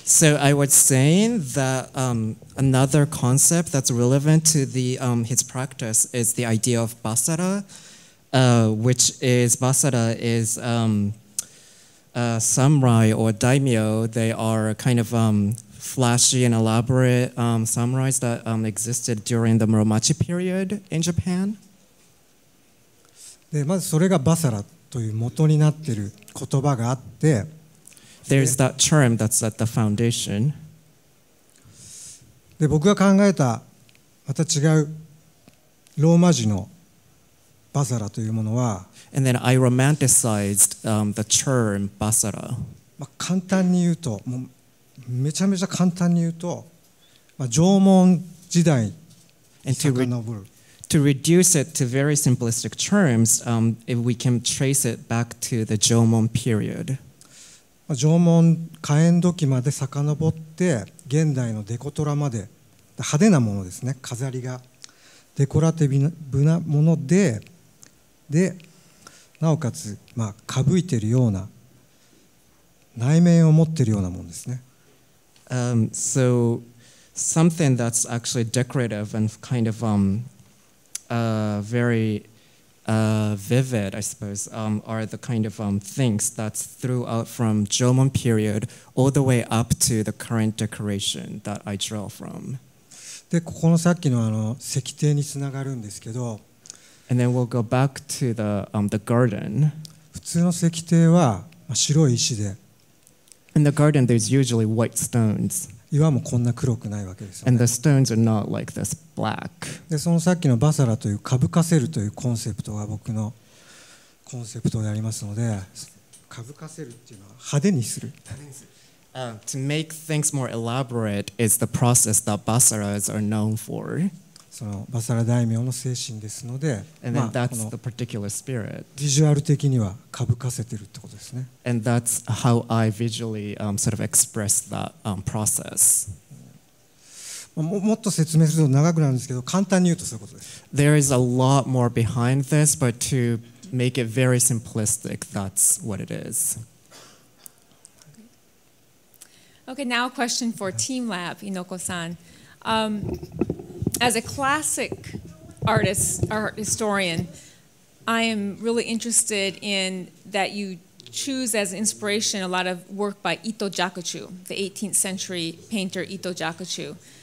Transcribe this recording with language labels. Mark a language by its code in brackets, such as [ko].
[en] So I was saying that another concept that's relevant to the his practice is the idea of basara, which is basara is samurai or daimyo. They are kind of flashy and elaborate samurais that existed during the Muromachi period in Japan. [ja] で、まずそれがバサラという元になっている言葉があって。 [en] There's that term that's at the foundation. [ja] で、僕が考えたまた違うローマ字のバサラというものは、 [en] And then I romanticized, the term バサラ。 [ja] まあ、簡単に言うと、もうめちゃめちゃ簡単に言うと、まあ、縄文時代に遡る。 [en] To reduce it to very simplistic terms, if we can trace it back to the Jomon period. [ja] 縄文火炎土器まで遡って現代のデコトラまで派手なものですね、飾りがデコラティブなもので、でなおかつ、まあ、かぶいているような内面を持っているようなものですね。 [en] So something that's actually decorative and kind of veryvivid, I suppose, are the kind of things that's throughout from Jomon period all the way up to the current decoration that I draw from. [ja] で、ここのさっきのあの石庭につながるんですけど、 [en] And then we'll go back to the garden. [ja] 普通の石庭は白い石で、 [en] In the garden, there's usually white stones. [ja] 岩もこんな黒くないわけですよね。 [en] And the stones are not like this. Black. [ja] でそのさっきのバサラというかぶかせるというコンセプトが僕のコンセプトでありますので、かぶかせるっていうのは派手にする、 [en] To make things more elaborate is the process that basaras are known for. [ja] そのバサラ大名の精神ですので、 [en] And then that's the particular spirit. [ja] ビジュアル的にはかぶかせてるってことですね。 [en] And that's how I visually sort of express that process. [ja] もっと説明すると長くなるんですけど、簡単に言うとそういうことです。 [en] There is a lot more behind this, but to make it very simplistic, that's what it is. Okay, now a question for Team Lab, Inoko-san. As a classic artist, art historian, I am really interested in that you choose as inspiration a lot of work by Ito Jakuchu, the 18th century painter Ito Jakuchu.